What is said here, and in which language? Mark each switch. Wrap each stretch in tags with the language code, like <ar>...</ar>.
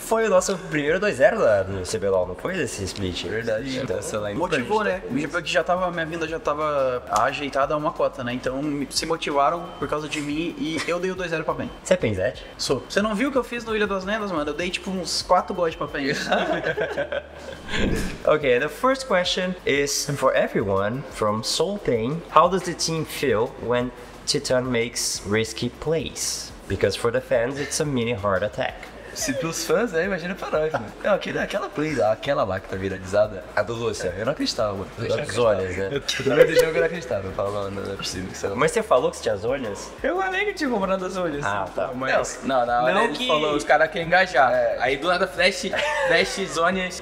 <pt>Foi o nosso primeiro 2-0 lá do CBLOL, não foi esse split? Verdade. Então, é, lá, motivou, né? O GP que já tava, minha vinda já tava ajeitada a uma cota, né? Então se motivaram por causa de mim e eu dei o 2-0 pra Pen. Você é Penzete? Sou. Você não viu o que eu fiz no Ilha das Lendas, mano? Eu dei tipo uns 4 gols pra Pen.</pt> <en>Ok, the first question is for everyone from Soul Pain. How does the team feel when Titan makes risky plays? Because for the fans, it's a mini heart attack.</en> <pt>Se pros fãs, é, imagina pra nós, mano. Não, aquele, aquela play, aquela lá que tá viralizada. A do Lúcia. Eu não acreditava, mano. Eu tinha zonhas, né? No meio do jogo eu não acreditava. Eu falava, não, não é possível. Não... Mas você falou que você tinha zonhas? Eu falei que tinha comprado as zonhas. Ah, tá. Mas... Não, não, não, não que... ele falou, os caras querem engajar. É. Aí do nada, flash, flash, zonhas.</pt>